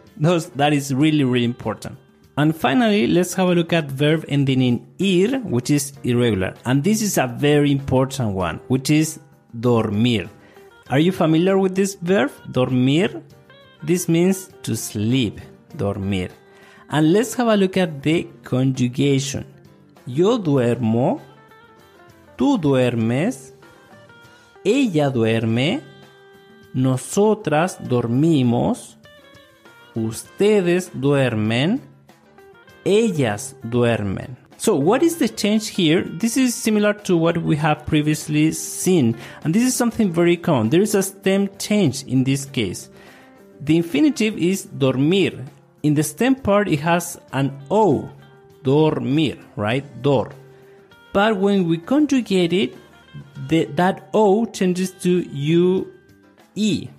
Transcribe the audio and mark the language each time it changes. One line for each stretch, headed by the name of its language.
English: That is really, really important. And finally, let's have a look at verb ending in ir, which is irregular. And this is a very important one, which is dormir. Are you familiar with this verb, dormir? This means to sleep, dormir. And let's have a look at the conjugation.
Spanish: Yo duermo, tú duermes, ella duerme, nosotras dormimos, ustedes duermen, ellas duermen.
English: So what is the change here? This is similar to what we have previously seen. And this is something very common. There is a stem change in this case. The infinitive is dormir. In the stem part, it has an O. Dormir, right? Dor. But when we conjugate it, that O changes to U-E.